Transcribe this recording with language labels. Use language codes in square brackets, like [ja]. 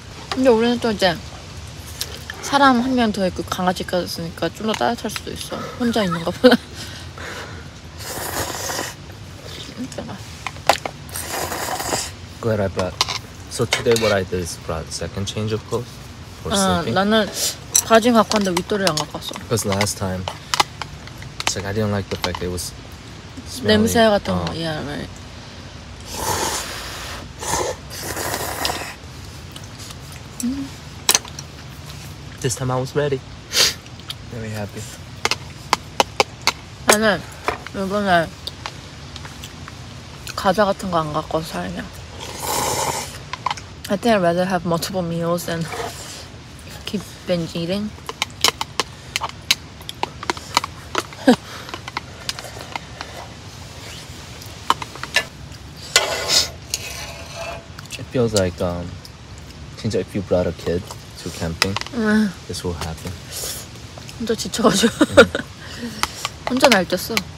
[ko] 근데 우리는 또 이제 사람 한 명 더 있고 강아지까지 있으니까 좀 더 따뜻할 수도 있어. 혼자 있는 것보다. 잠깐만. [en] Glad I brought. So today what I did is brought second change of clothes for sleeping. [ko] 나는 바지 갖고 왔는데 윗도리 안 갖고 왔어. [en] Because last time, it's like I didn't like the fact it was smelly. [ko] 냄새 같은 거. [en] Yeah, right. This time I was ready. Very happy. [ko] 나는 이번에 과자 같은 거 안 갖고 살냐. [en] I think I'd rather have multiple meals than keep binge eating. [ko] 그래서 [en] like since if you brought a kid to camping, this will happen. [ko] 혼자 지쳐가지고 혼자 날렸어.